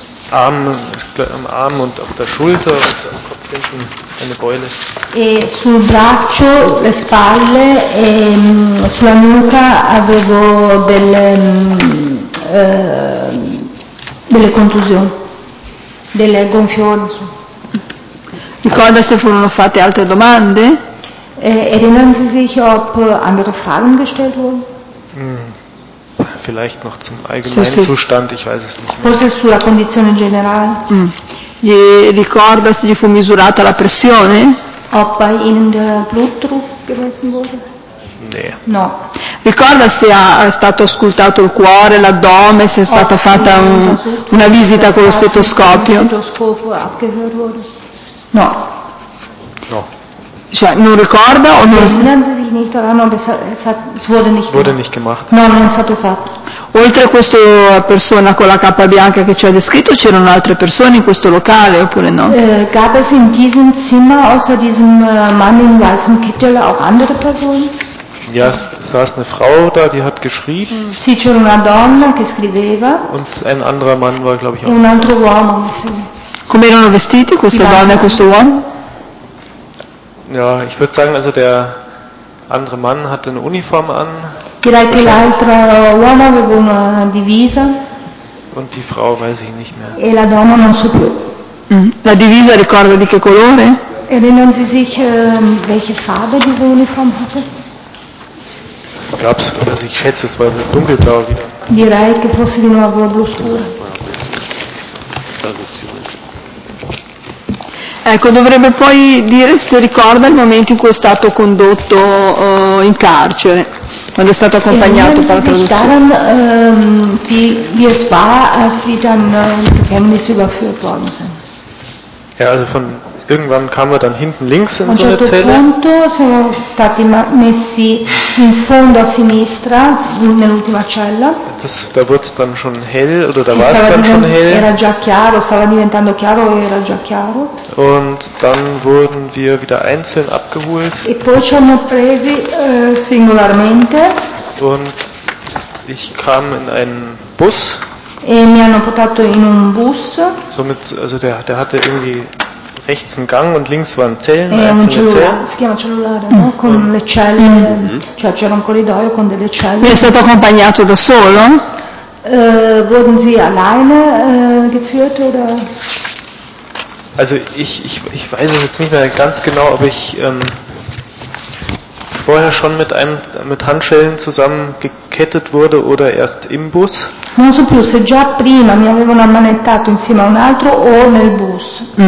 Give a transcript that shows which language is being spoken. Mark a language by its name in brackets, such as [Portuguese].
[German] Am Arm und auf der Schulter und am Kopf hinten eine Beule. [Italian] E sul braccio, le spalle e sulla nuca avevo delle contusioni, delle gonfioni. Ricorda se furono fatte altre domande? [German] Erinnern Sie sich, ob andere Fragen gestellt wurden? Vielleicht noch zum allgemeinen Zustand, ich weiß es nicht mehr. [Italian] Forse sulla condizione generale. Gli ricorda se gli fu misurata la pressione? [German] Ob bei Ihnen der Blutdruck gemessen wurde? Nee. [Italian] No. Ricorda se ha stato ascoltato il cuore, l'addome, se è stata fatta una visita con lo stetoscopio? [German] Stetoscopio abgehört wurde? [Italian] No. No. Cioè, non ricorda o non [German] wurde nicht gemacht. [Italian] No, non è stato fatto. Oltre a questa persona con la cappa bianca che ci ha descritto, c'erano altre persone in questo locale oppure no? [German] Gab es in diesem Zimmer außer diesem Mann im weißen Kittel auch andere Personen? Ja, saß eine Frau da, die hat geschrieben. [Italian] Sì, c'era una donna che scriveva. [German] Und ein anderer Mann war, glaube ich, auch. [Italian] Un altro uomo. Come erano vestiti questa donna e questo uomo? [German] Ja, ich würde sagen, also der andere Mann hatte eine Uniform an. [Italian] Direi che l'altro uomo aveva una divisa. [German] Und die Frau weiß ich nicht mehr. [Italian] E la donna non so più. La divisa ricorda di che colore? [German] Erinnern Sie sich, welche Farbe diese Uniform hatte? Gab's, also ich schätze, es war dunkelblau wieder. [Italian] Direi che fosse di nuovo blu scuro. Ecco, dovrebbe poi dire se ricorda il momento in cui è stato condotto in carcere, quando è stato accompagnato per la traduzione. [German] Ja, also von irgendwann kamen wir dann hinten links in so eine Zelle. [Italian] A un certo punto siamo stati messi in fondo a sinistra, nell'ultima cella. [German] Da wurde es dann schon hell, oder da war es dann schon hell. [Italian] Era già chiaro, stava diventando chiaro, era già chiaro. [German] Und dann wurden wir wieder einzeln abgeholt. [Italian] E poi ci hanno presi singolarmente. [German] Und ich kam in einen Bus. [Italian] E mi hanno portato in un bus. [German] Somit, also der hatte irgendwie rechts einen Gang und links waren Zellen, einzelne Zellen. [Italian] Si chiama cellulare, no? Con le celle, cioè c'era un corridoio con delle celle. Mi è stato accompagnato da solo? [German] Wurden Sie alleine geführt oder? Also ich weiß es jetzt nicht mehr ganz genau, ob ich vorher schon mit Handschellen zusammen gekettet wurde oder erst im Bus. [Italian] Non so più se già prima mi avevano ammanettato insieme a un altro o nel bus.